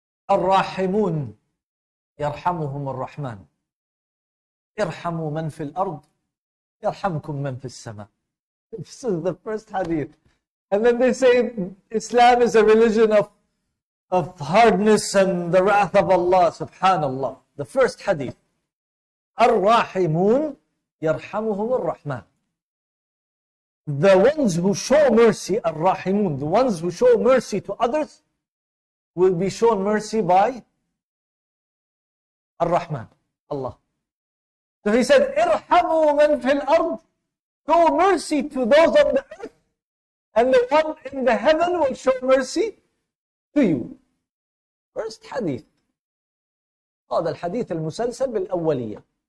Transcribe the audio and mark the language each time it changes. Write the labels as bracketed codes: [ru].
[ar] الراحمون يرحمهم الرحمن ارحموا من في الأرض يرحمكم من في السماء. [en] This is the first hadith. And then they say Islam is a religion of hardness and the wrath of Allah. Subhanallah. The first hadith. [ar] الراحمون يرحمهم الرحمن. [en] The ones who show mercy, [ar] الراحمون, [en] the ones who show mercy to others will be shown mercy by Ar-Rahman, Allah. So he said, [ar] Irhamu man fil ard, [en] show mercy to those on the earth, and the one in the heaven will show mercy to you. First hadith. [ar] هذا الحديث المسلسل بالأولية.